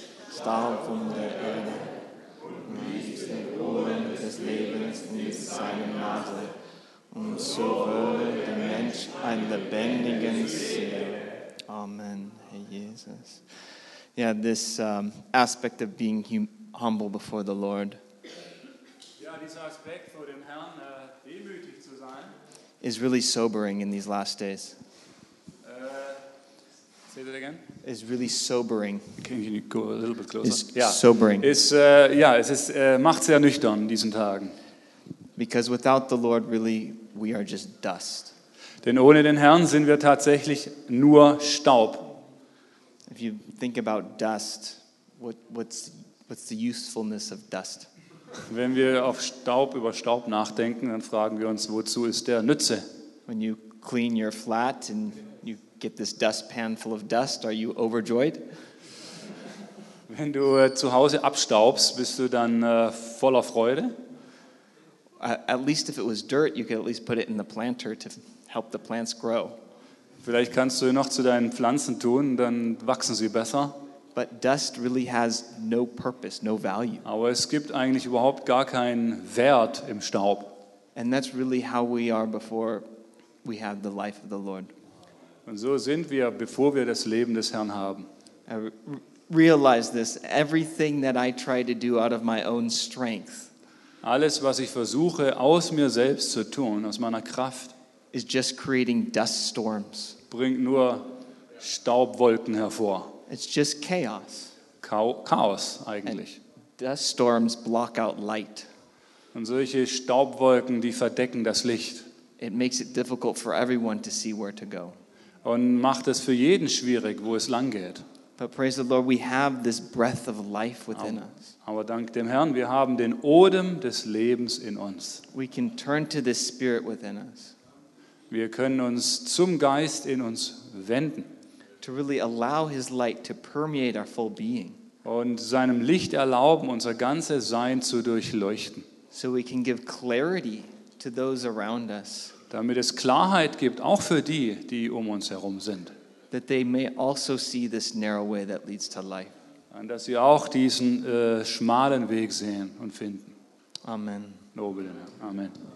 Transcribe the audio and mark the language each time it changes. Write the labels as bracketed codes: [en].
[de] Stahl von der Erde und rief den Ohren des Lebens in seine Nase. Und so wurde der Mensch ein lebendiger Seele. Amen, Herr Jesus. [en] Yeah, this aspect of being humble before the Lord. [de] Ja, dieser Aspekt vor dem Herrn, demütig zu sein, [en] is really sobering in these last days. Say that again. Is really sobering. Can you go a little bit closer? Sobering. [de] Macht sehr nüchtern diesen Tagen. [en] Because without the Lord, really, we are just dust. [de] Denn ohne den Herrn sind wir tatsächlich nur Staub. [en] If you think about dust, what's the usefulness of dust? [de] Wenn wir über Staub nachdenken, dann fragen wir uns, wozu ist der Nütze? [en] When you clean your flat and you get this dustpan full of dust, are you overjoyed? [de] Wenn du zu Hause abstaubst, bist du dann voller Freude? [en] At least if it was dirt, you could at least put it in the planter to help the plants grow. [de] Vielleicht kannst du noch zu deinen Pflanzen tun, dann wachsen sie besser. [en] But dust really has no purpose, no value. [de] Aber es gibt eigentlich überhaupt gar keinen Wert im Staub. [en] And that's really how we are before we have the life of the Lord. [de] Und so sind wir, bevor wir das Leben des Herrn haben. [en] I realize this, everything that I try to do out of my own strength, [de] alles, was ich versuche, aus mir selbst zu tun, aus meiner Kraft, [en] is just creating dust storms. [de] Bringt nur Staubwolken hervor. [en] It's just chaos. [de] Chaos eigentlich. [en] And dust storms block out light. [de] Und solche Staubwolken, die verdecken das Licht. [en] It makes it difficult for everyone to see where to go. [de] Und macht es für jeden schwierig, wo es lang geht. [en] But praise the Lord, we have this breath of life within us. [de] Aber dank dem Herrn, wir haben den Odem des Lebens in uns. [en] We can turn to this spirit within us. [de] Wir können uns zum Geist in uns wenden. [en] To really allow his light to permeate our full being. [de] Und seinem Licht erlauben, unser ganzes Sein zu durchleuchten. [en] So we can give clarity to those around us. [de] Damit es Klarheit gibt, auch für die, die um uns herum sind. [en] That they may also see this narrow way that leads to life. [de] Und dass sie auch diesen schmalen Weg sehen und finden. Amen. Nobel, Amen.